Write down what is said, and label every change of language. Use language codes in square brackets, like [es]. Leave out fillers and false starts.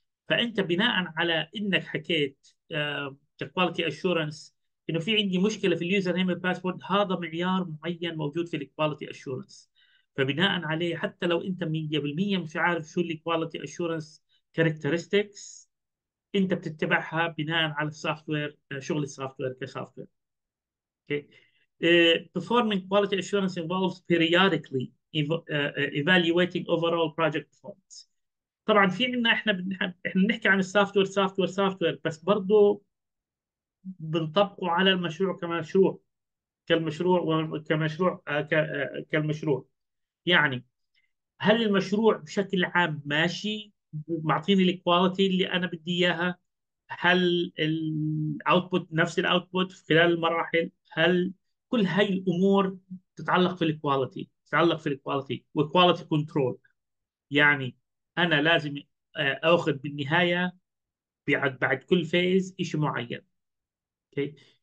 [ar] فانت بناء على انك حكيت كواليتي اشورنس انه في عندي مشكله في اليوزر نيم والباسورد، هذا معيار معين موجود في الكواليتي اشورنس. فبناء عليه حتى لو انت 100% مش عارف شو الكواليتي اشورنس كاركترستكس، انت بتتبعها بناء على السوفت وير، شغل السوفت وير كسوفت وير. اوكي. [en] Performing quality assurance involves periodically evaluating overall project performance. [ar] طبعا في عندنا احنا بنحكي عن السوفت وير سوفت وير سوفت وير، بس برضه بنطبقه على المشروع كمشروع كالمشروع وكمشروع كالمشروع. يعني هل المشروع بشكل عام ماشي معطيني الكواليتي اللي انا بدي اياها؟ هل الاوتبوت نفس الاوتبوت في خلال المراحل؟ هل كل هاي الامور تتعلق في الكواليتي، تتعلق في الكواليتي وكواليتي كنترول؟ يعني انا لازم اخذ بالنهايه بعد كل فيز شيء معين. اوكي.